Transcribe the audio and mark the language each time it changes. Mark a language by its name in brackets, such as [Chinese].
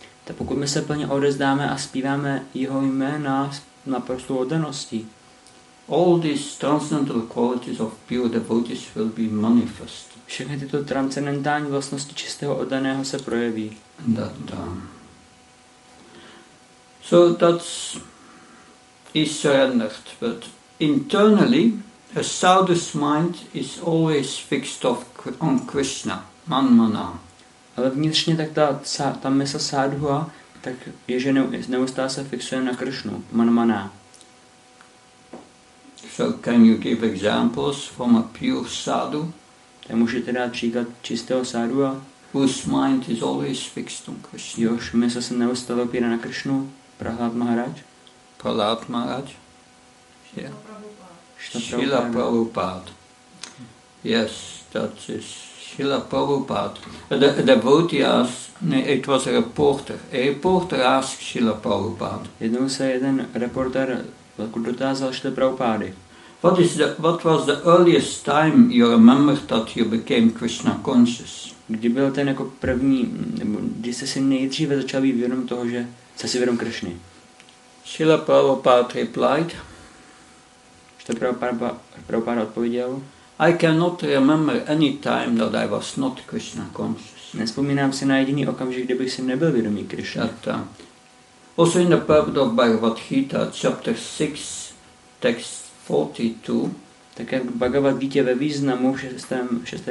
[Czech] tak pokud my se plně odezdáme a zpíváme jeho jména na prostou oddaností, [English] all these transcendental qualities of pure devotees will be manifest. [Czech] Všechny tyto transcendentální vlastnosti čistého oddaného se projeví. [English] So that's is surrendered, but internally a sadhu's mind is always fixed on Krishna. [Sanskrit] Manmana. [Czech] Ale vnitřně tak ta mysl sádhua, tak je, že neustále se fixuje na Kršnu. [Sanskrit] Manmana. [English] So can you give examples from a pure sadhu? [Czech] Tak můžete dát příklad čistého sádhua? [English] Whose mind is always fixed on Kršnu. [Czech] Jož mysl se neustále opírá na Kršnu. [English] Prahlad Maharaj. Srila Prabhupada. Yes, that is Srila Prabhupada. The devotee asked, it was a reporter. A reporter asked Srila Prabhupada. [Czech] Jednou se jeden reporter dotázal Srila Prabhupady. [English] What was the earliest time you remember that you became Krishna conscious? [Czech] Kdy byl ten jako první, nebo kdy jste si nejdříve začal být vědom toho, že jste si vědom Krishny? [English] Srila Prabhupada replied. [Czech] Srila Prabhupada odpověděl. [English] I cannot remember any time that I was not Krishna conscious. [Czech] Nespomínám si na jediný okamžik, kdybych si nebyl vědomý Krishna. [English] Also in the Purport of Bhagavad Gita, chapter 6, text 42. [Czech] Tak jak Bhagavad Gita ve významu v 6.